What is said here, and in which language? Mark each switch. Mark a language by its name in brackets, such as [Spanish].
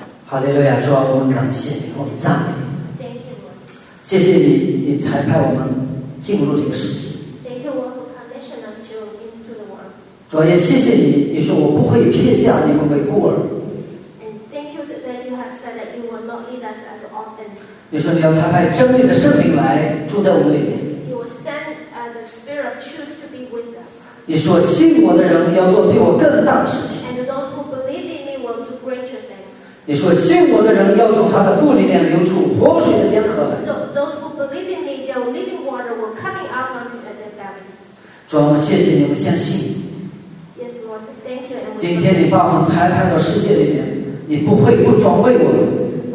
[Chinese] 哈利路亚，主啊，我们感谢你，我们赞美你。 [English] Thank you, Lord. [Chinese] 谢谢你，你才派我们进入这个世界。 [English] Thank you, Lord, commission us to into the world. [Chinese] 主啊，也谢谢你，你说我不会撇下你们为孤儿。 [English] And thank you that you have said that you will not lead us as orphans. [Chinese] 你说你要差派真理的圣灵来住在我们里面。 [English] You will send the spirit of truth to be with us. [Chinese] 你说信我的人要做比我更大的事情。 [English] And those who believe in me will do greater things. [Chinese] 你说信我的人要从他的腹里面流出活水的江河来。 [English] So those who believe in me, their living water will come out from their bellies. [Chinese] 主，我谢谢你们相信。 [English] Yes, Lord, thank you. [Chinese] 今天你把我们裁判到世界里面，你不会不装备我们。